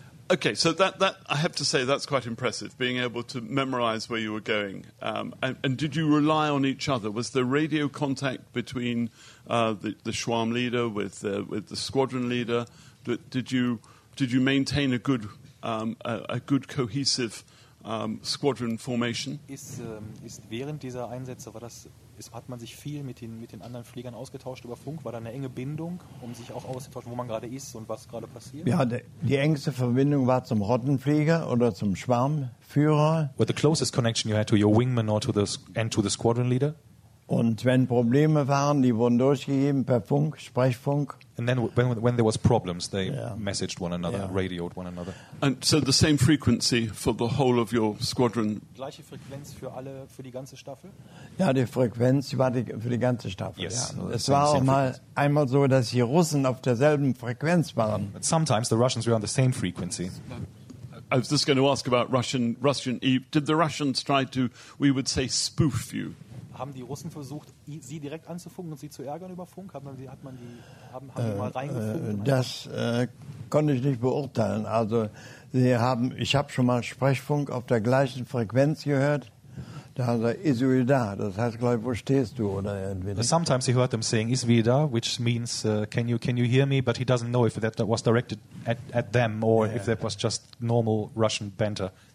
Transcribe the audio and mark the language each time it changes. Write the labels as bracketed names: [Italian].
[English] Okay, so that I have to say that's quite impressive, being able to memorize where you were going. And did you rely on each other? Was there radio contact between the Schwarm leader with the squadron leader? Did you maintain a good good cohesive squadron formation? [German] Ist während dieser Einsätze hat man sich viel mit den anderen Fliegern ausgetauscht über Funk? War da eine enge Bindung, um sich auch auszutauschen, wo man gerade ist und was gerade passiert? Ja, die engste Verbindung war zum Rottenflieger oder zum Schwarmführer. [English] Well, the closest connection you had to your wingman or to the squadron leader? [German] Und wenn Probleme waren, die wurden durchgegeben per Funk, Sprechfunk. [English] And then when there was problems, they messaged one another, radioed one another. And so the same frequency for the whole of your squadron? [German] Gleiche Frequenz für die ganze Staffel? Ja, die Frequenz war für die ganze Staffel. [English] Yes. [German] Es war auch einmal so, dass die Russen auf derselben Frequenz waren. [English] But sometimes the Russians were on the same frequency. I was just going to ask about Russian. Did the Russians try to, we would say, spoof you? [German] Haben die Russen versucht, sie direkt anzufunken und sie zu ärgern über Funk? Haben die mal reingefunken? Das konnte ich nicht beurteilen. Also ich habe schon mal Sprechfunk auf der gleichen Frequenz gehört. Da hat er Isuida. Das heißt, glaube ich, wo stehst du oder irgendwie. [English] Sometimes he heard them saying Isuida, which means can you hear me? But he doesn't know if that was directed at them or if that was just normal Russian banter.